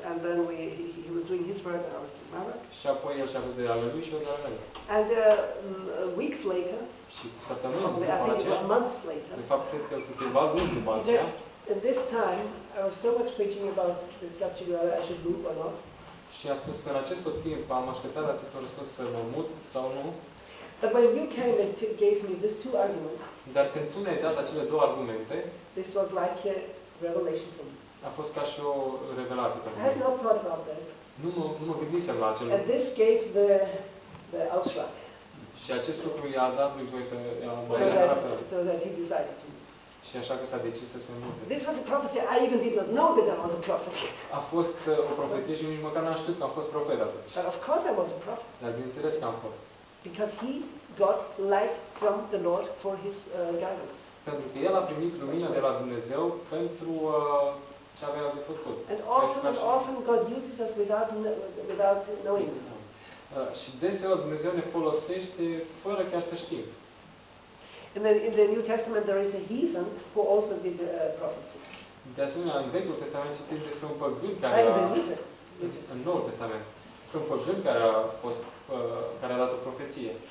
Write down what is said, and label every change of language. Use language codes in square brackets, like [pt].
[en] And then he was doing his work and I was doing my work. [ro] Și apoi el și-a pus de ale lui și eu de ale mele. [en] And weeks later. [ro] Și săptămâna după aceea. [en] I think it was months later. [ro] De fapt, cred că câteva luni după aceea. [en] This time I was so much preaching about the subject whether I should move or not. [ro] Și a spus că în acest tot timp am așteptat atât un răspuns să mă mut sau nu. [en] But when you came and gave me these two arguments. [ro] Dar când tu mi-ai dat acele două argumente. [en] This was like a revelation for me. [ro] A fost ca și o revelație pentru mine. [en] I had not thought about that. [ro] Nu mă gândisem la acel lucru. [en] And this gave the Ausschlag. [ro] Și acest lucru i-a dat lui voie să ia [en] so that he decided to. [ro] Și așa că s-a decis să se mute. [en] This was a prophecy. I even did not know that I was a prophet. [ro] A fost o profeție și nici măcar n-am știut că am fost profet atunci. [en] But of course I was a prophet. [ro] Dar bineînțeles că am fost. [en] Because he got light from the Lord for his guidance. [ro] Pentru că el a primit lumină de la Dumnezeu pentru ce avea de făcut. [en] And often God uses us without knowing. [ro] Și deseori Dumnezeu ne folosește fără chiar să știm. [en] And then in the New Testament there is a heathen who also did a prophecy. [ro] De asemenea, în Vechiul Testament citim despre un păgân care în Noul Testament, despre un păgân care a fost care a dat o profeție.